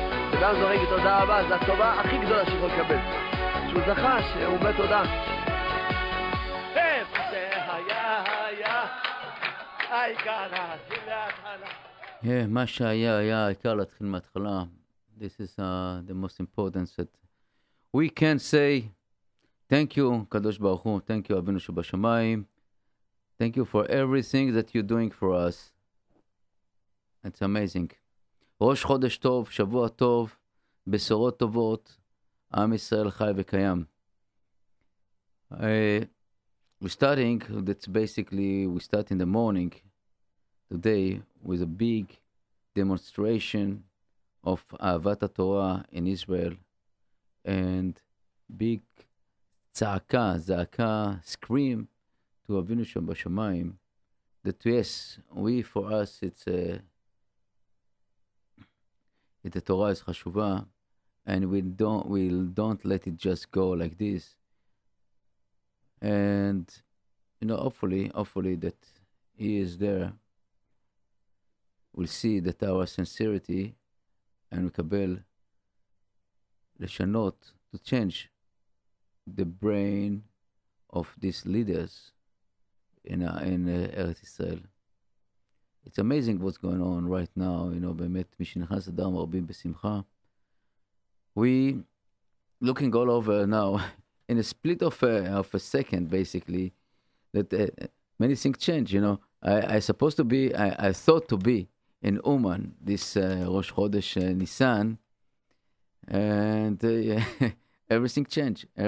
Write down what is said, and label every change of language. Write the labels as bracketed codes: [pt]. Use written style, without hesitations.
[he] וגם זו רגע תודה רבה, זו הטובה הכי גדולה שיכול לקבל. שהוא זכה, שהוא בא תודה. איפה שהיה היה, העיקר להתחיל מההתחלה. כן, מה שהיה היה, העיקר להתחיל מההתחלה. [en] This is the most important that we can say. Thank you, [he] קדוש ברוך הוא. [en] Thank you, [he] אבינו שבשמיים. [en] Thank you for everything that you're doing for us. It's amazing. [he] ראש חודש טוב, שבוע טוב, בשורות טובות, עם ישראל חי וקיים. [en] We're starting, that's basically, we start in the morning, today, with a big demonstration of אהבת התורה in Israel, and big [he] צעקה, זעקה, [en] scream, to [he] אבינו שם בשמיים, [en] that yes, we, for us, it's a, [he] את התורה היא חשובה, [en] and we don't let it just go like this. And, you know, hopefully that he is there, we'll see that our sincerity, and we can [he] לשנות, [en] to change the brain of these leaders in Eretz Israel. It's amazing what's going on right now, you know, [he] באמת, מי שנכנס אדר מרבים בשמחה. [en] We looking all over now, in a split of a second, basically, that many things change, you know. I thought to be in Uman, this Rosh Chodesh Nisan, and yeah, everything changed.